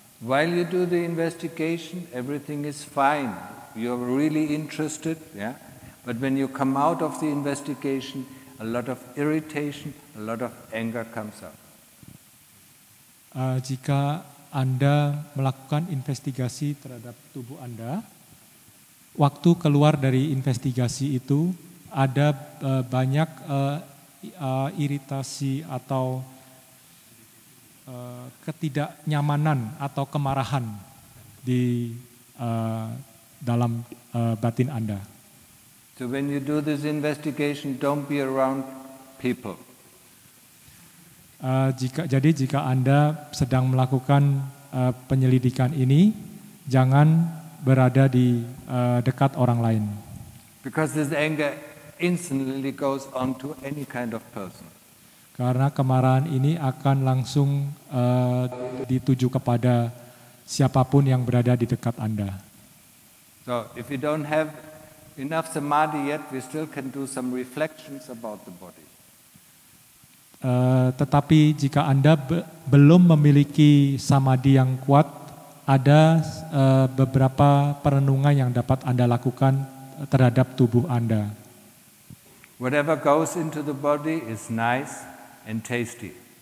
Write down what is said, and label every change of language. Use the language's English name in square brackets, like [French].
[English] While you do the investigation, everything is fine. You're really interested, yeah? But when you come out of the investigation, a lot of irritation, a lot of anger comes up. [Indonesian] Jika Anda melakukan investigasi terhadap tubuh Anda, waktu keluar dari investigasi itu ada banyak iritasi atau ketidaknyamanan atau kemarahan di dalam batin Anda. [English] So when you do this investigation, don't be around people. [Indonesian] Jika Anda sedang melakukan penyelidikan ini, jangan berada di dekat orang lain. [English] Because this anger instantly goes on to any kind of person. [Indonesian] Karena kemarahan ini akan langsung dituju kepada siapapun yang berada di dekat Anda. [English] So if you don't have enough samadhi yet, we still can do some reflections about the body. [Indonesian] Tetapi jika Anda belum memiliki samadhi yang kuat, ada beberapa perenungan yang dapat Anda lakukan terhadap tubuh Anda. [English] Whatever goes into the body is nice and tasty.